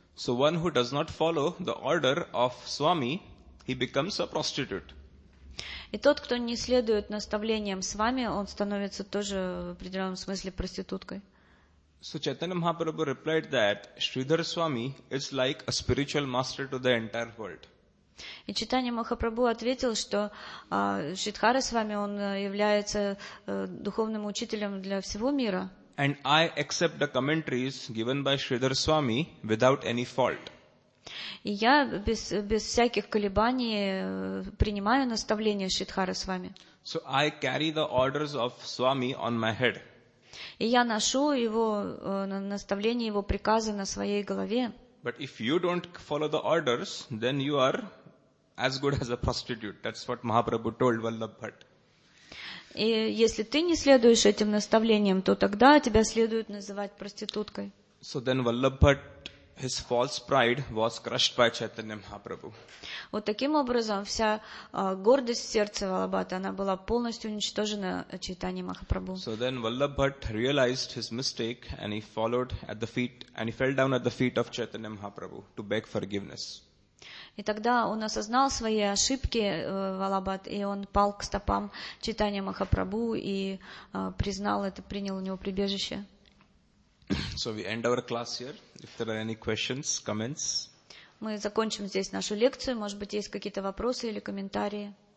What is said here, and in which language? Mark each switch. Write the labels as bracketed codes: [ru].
[en] So one who does not follow the order of Swami, he becomes a prostitute. [ru] И тот, кто не следует наставлениям Свами, он становится тоже в определенном смысле проституткой. [en] So Chaitanya Mahaprabhu replied that Sridhar Swami is like a spiritual master to the entire world. [ru] И Чайтанья Махапрабху ответил, что Шридхара Свами, он является духовным учителем для всего мира. [en] And I accept the commentaries given by Sridhar Swami without any fault. [ru] И я без всяких колебаний принимаю наставления Шридхары Свами. [en] So I carry the orders of Swami on my head. [ru] И я ношу его наставления, его приказы на своей голове. [en] But if you don't follow the orders, then you are as good as a prostitute. That's what Mahaprabhu told Vallabhat. [ru] И если ты не следуешь этим наставлениям, то тогда тебя следует называть проституткой. [en] So then Vallabhat, his false pride was crushed by Chaitanya Mahaprabhu. [ru] Вот таким образом вся гордость сердца Валабхата, она была полностью уничтожена Чайтаньей Махапрабху. [en] So then Vallabhat realized his mistake and he followed at the feet and he fell down at the feet of Chaitanya Mahaprabhu to beg forgiveness. [ru] И тогда он осознал свои ошибки, Валабхат, и он пал к стопам Чайтанья Махапрабху и признал это, принял у него прибежище. [en] So we end our class here. If there are any questions, comments. [ru] Мы закончим здесь нашу лекцию. Может быть, есть какие-то вопросы или комментарии?